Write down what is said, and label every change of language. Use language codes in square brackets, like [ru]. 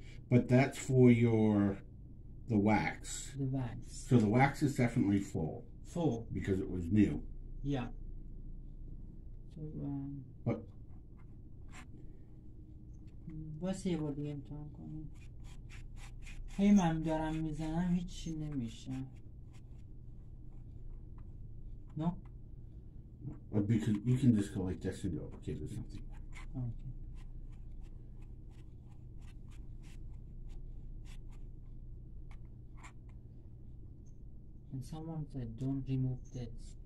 [en] But that's for your the wax. The wax. So the wax is definitely full. Full. Because it was new. Yeah. So, But. What's the word again, Tom? Hey, man, [fa] دارم میزنم هیچی نمیشه. [en] No? But because you can just go like this and go, okay, there's something. Okay. And someone said, don't remove this.